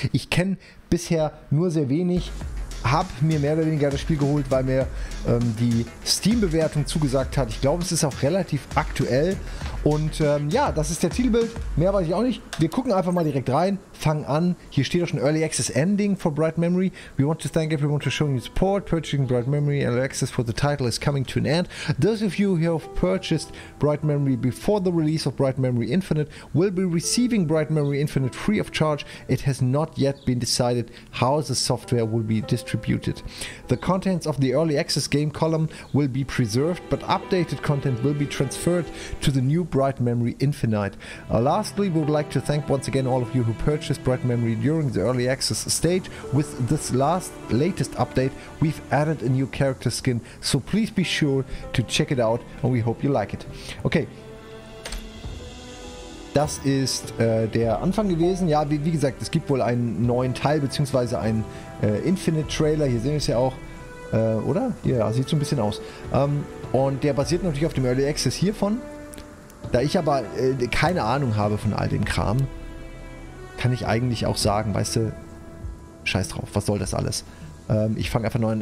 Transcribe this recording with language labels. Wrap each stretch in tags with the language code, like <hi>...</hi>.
<de>Ich kenne bisher nur sehr wenig, habe mir mehr oder weniger das Spiel geholt, weil mir die Steam-Bewertung zugesagt hat. Ich glaube, es ist auch relativ aktuell. Und ja, das ist der Titelbild. Mehr weiß ich auch nicht. Wir gucken einfach mal direkt rein, fangen an. Hier steht auch schon</de> <en>Early Access Ending for Bright Memory. We want to thank everyone for showing your support. Purchasing Bright Memory Early Access for the title is coming to an end. Those of you who have purchased Bright Memory before the release of Bright Memory Infinite will be receiving Bright Memory Infinite free of charge. It has not yet been decided how the software will be distributed. The contents of the Early Access game column will be preserved, but updated content will be transferred to the new Bright Memory Infinite. Lastly, we would like to thank once again all of you who purchased Bright Memory during the early access stage. With this latest update, we've added a new character skin, so please be sure to check it out and we hope you like it. Okay.</en> <de>Das ist der Anfang gewesen. Ja, wie gesagt, es gibt wohl einen neuen Teil bzw. einen Infinite Trailer. Hier sehen wir es ja auch. Oder? Ja, sieht so ein bisschen aus. Und der basiert natürlich auf dem Early Access hiervon. Da ich aber keine Ahnung habe von all dem Kram, kann ich eigentlich auch sagen, weißt du, scheiß drauf, was soll das alles? Ich fange einfach neu an.</de>